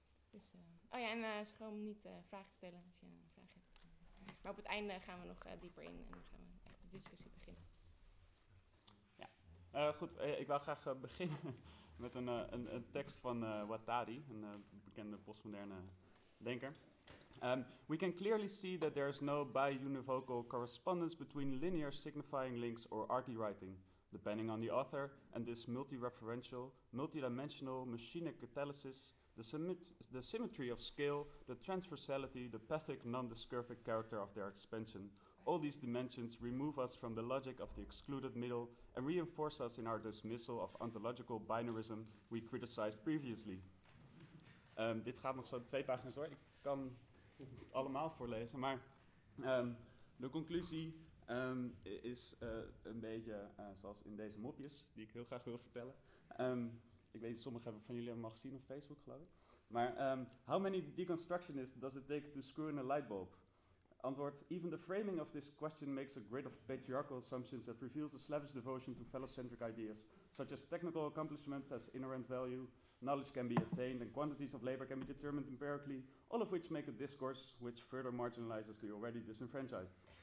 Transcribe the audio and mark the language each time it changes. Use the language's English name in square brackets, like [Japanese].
[Dutch] Dus, schroom niet vragen te stellen als je een vraag hebt. Maar op het einde gaan we nog dieper in en dan gaan we echt de discussie beginnen. Ja, goed. Ik wil graag beginnen met een tekst van Wattari, een bekende postmoderne denker. [English] We can clearly see that there is no bi-univocal correspondence between linear signifying links or argie writing, depending on the author, and this multi-referential, multi-dimensional machine catalysis. The symmetry of scale, the transversality, the pathic, non-discurvic character of their expansion. All these dimensions remove us from the logic of the excluded middle and reinforce us in our dismissal of ontological binarism we criticized previously. [Dutch] Dit gaat nog zo 2 pagina's hoor. Ik kan het allemaal voorlezen, maar de conclusie is een beetje zoals in deze mopjes, die ik heel graag wil vertellen. Ik weet niet, sommigen hebben van jullie hem al gezien op Facebook, geloof ik. [English] Maar, how many deconstructionists does it take to screw in a light bulb? Antwoord, even the framing of this question makes a grid of patriarchal assumptions that reveals a slavish devotion to phallocentric ideas, such as technical accomplishments as inherent value, knowledge can be attained, and quantities of labor can be determined empirically, all of which make a discourse which further marginalizes the already disenfranchised.